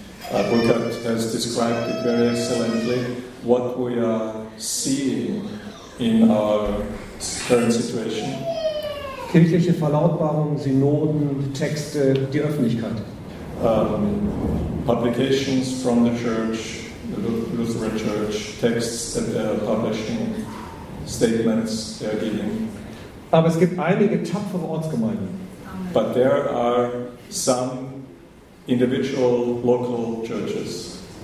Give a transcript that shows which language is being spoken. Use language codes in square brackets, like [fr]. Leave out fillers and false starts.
[en] Burkhard has described it very excellently, what we are seeing in our current situation. [de] Kirchliche Verlautbarungen, Synoden, Texte, die Öffentlichkeit. [en] Publications from the church, the Lutheran church texts that they are publishing, statements they are giving. [de] Aber es gibt einige tapfere Ortsgemeinden. [en] But there are some individual local churches.